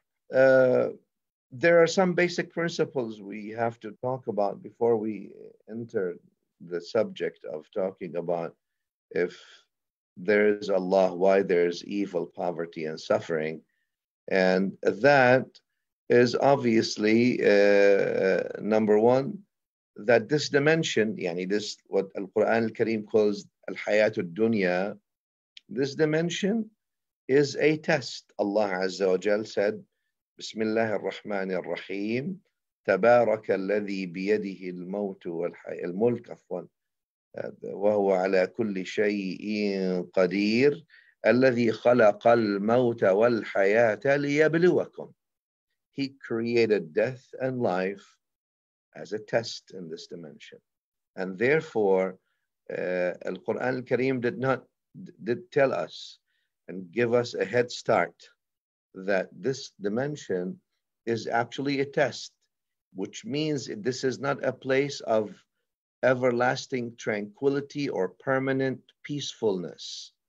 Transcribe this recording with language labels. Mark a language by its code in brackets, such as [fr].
[en] There are some basic principles we have to talk about before we enter the subject of talking about if there is Allah, why there is evil, poverty, and suffering. And that is obviously, number one, that this dimension, yani this, what Al-Quran Al-Kareem calls Al-Hayat Al-Dunya, this dimension is a test. [ar] Allah Azza wa Jal said, بسم الله الرحمن الرحيم تبارك الذي بيده الموت والحياة الملك عفوا وهو على كل شيء قدير الذي خلق الموت والحياة ليبلوكم. [en] He created death and life as a test in this dimension, and therefore Al-Quran Al-Kareem did tell us and give us a head start that this dimension is actually a test, which means this is not a place of everlasting tranquility or permanent peacefulness.